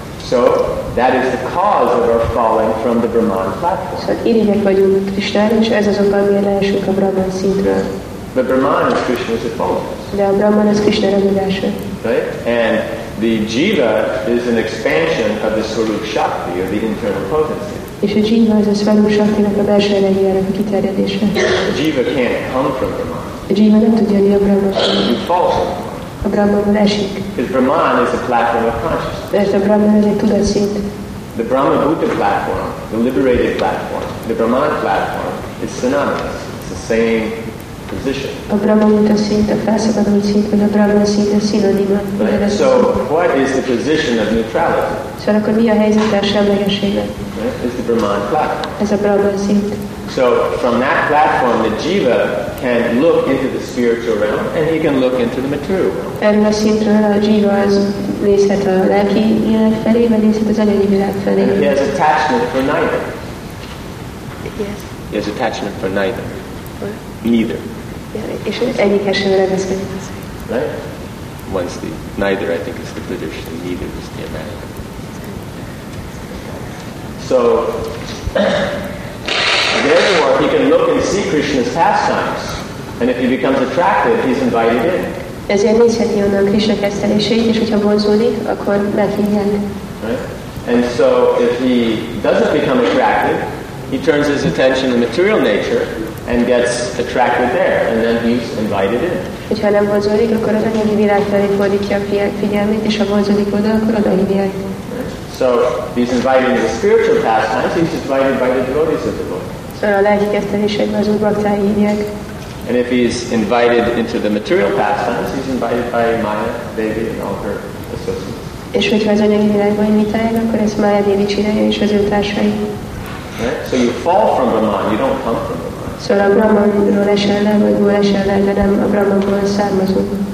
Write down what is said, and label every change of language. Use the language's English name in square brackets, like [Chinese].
[English] So that is the cause of our falling from the Brahman platform. [Hungarian] So irigyek vagyunk a Krishnára, és ez az oka, miért leesünk a Brahman szintről. [English] But Brahman is Krishna's effulgence. [Hungarian] De a Brahman az Krishna ragyogása. [English] Right? And the jiva is an expansion of the swarup shakti, or the internal potency. [Hungarian] És a jiva az a swarup shaktinak a belső energiájának a kiterjedése. [English] A jiva can't come from Brahman. [Hungarian] A jiva nem tud jönni a Brahman. [English] You fall from [Hungarian] Brahman. A Brahmanból esik. [English] Because Brahman is a platform of consciousness. [Hungarian] De a Brahman az egy tudatszint. [English] The Brahma Buddha platform, the liberated platform, the Brahman platform is synonymous. It's the same position. [Hungarian] A Brahma-buddha szint, a felszabadult szint, vagy a Brahma szint, a szinonima. [English] Right. So, what is the position of neutrality? [Hungarian] So, akkor mi a helyzet a semlegességben? [English] Right. It's the Brahman platform. [Hungarian] Ez a Brahma szint. [English] So, from that platform, the jiva can look into the spiritual realm, and he can look into the material realm. [Hungarian] Erről a szintről a jiva az nézhet a lelki világ felé, vagy nézhet az anyagi világ felé. [English] And he has attachment for neither. Yes. He has attachment for neither. Neither. Right? Once the neither, I think, is the British, the neither is the American. So, therefore, he can look and see Krishna's pastimes. And if he becomes attractive, he's invited in. [Hungarian] Ezért nézheti onnan Krishna kezdtelését, és hogyha vonzódik, akkor meghívják. [English] Right? And so, if he doesn't become attractive, he turns his attention to material nature, and gets attracted there, and then he's invited in. [Hungarian] Hogyha nem vonzódik, akkor az anyagi világ felé fordítja a figyelmét, és ha vonzódik oda, akkor oda hívják. [English] So he's invited into the spiritual pastimes, he's invited by the devotees of the Lord. [Hungarian] So a lelki kezdtelésekben az úr bhaktái hívják. [English] And if he's invited into the material pastimes, he's invited by Maya Devi and all her associates. [Hungarian] És hogyha az anyagi világban invitálják, akkor ezt Maya Devi csinálja és az ő társai. [English] So you fall from Brahman, you don't come from Brahman. [Hungarian] Szóval a Brahmanról esel le, vagy ból esel le, de nem a Brahmanból származunk.